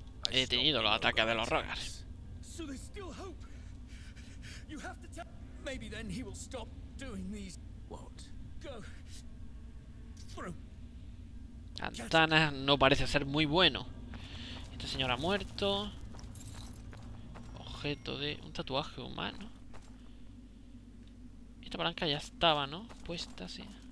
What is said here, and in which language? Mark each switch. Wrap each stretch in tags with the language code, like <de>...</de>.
<es>He tenido los ataques de los Rogars.</es> <en>So there's still hope. You have to tell. Maybe then he will stop doing these. What? Go. Through.</en> <es>Antana no parece ser muy bueno. Este señor ha muerto. Objeto de un tatuaje humano. Esta palanca ya estaba, ¿no? Puesta, sí.</es>